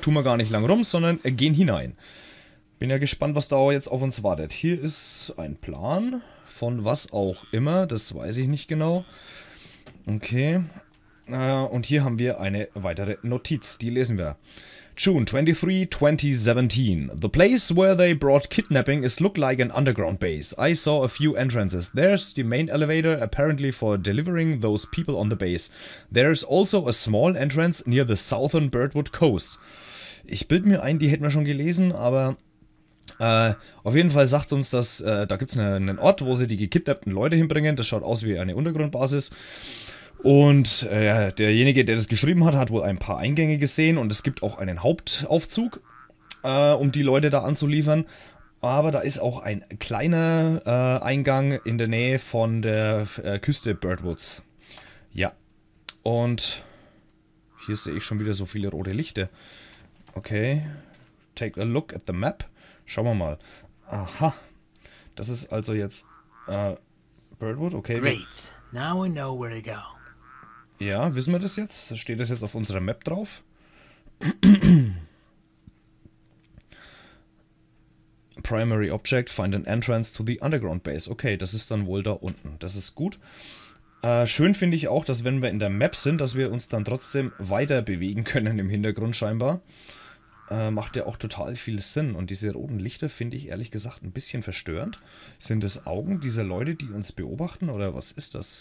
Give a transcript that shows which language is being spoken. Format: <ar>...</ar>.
<de>Tun wir gar nicht lang rum, sondern gehen hinein. Bin ja gespannt, was da jetzt auf uns wartet. Hier ist ein Plan von was auch immer, das weiß ich nicht genau. Okay, und hier haben wir eine weitere Notiz, die lesen wir.</de> <en>June 23, 2017. The place where they brought kidnapping is look like an underground base. I saw a few entrances. There's the main elevator, apparently for delivering those people on the base. There's also a small entrance near the southern Birdwood coast.</en> <de>Ich bilde mir ein, die hätten wir schon gelesen, aber auf jeden Fall sagt uns, dass da gibt es einen Ort, wo sie die gekidnappten Leute hinbringen. Das schaut aus wie eine Untergrundbasis. Und derjenige, der das geschrieben hat, hat wohl ein paar Eingänge gesehen und es gibt auch einen Hauptaufzug, um die Leute da anzuliefern. Aber da ist auch ein kleiner Eingang in der Nähe von der Küste Birdwoods. Ja, und hier sehe ich schon wieder so viele rote Lichter.</de> <en>Okay, take a look at the map.</en> <de>Schauen wir mal. Aha, das ist also jetzt Birdwood, okay.</de> <en>Great, now we know where to go.</en> <de>Ja, wissen wir das jetzt? Steht das jetzt auf unserer Map drauf?</de> <en>Primary Object, find an entrance to the underground base.</en> <de>Okay, das ist dann wohl da unten. Das ist gut. Schön finde ich auch, dass wenn wir in der Map sind, dass wir uns dann trotzdem weiter bewegen können im Hintergrund scheinbar. Macht ja auch total viel Sinn. Und diese roten Lichter finde ich ehrlich gesagt ein bisschen verstörend. Sind es Augen dieser Leute, die uns beobachten? Oder was ist das?</de>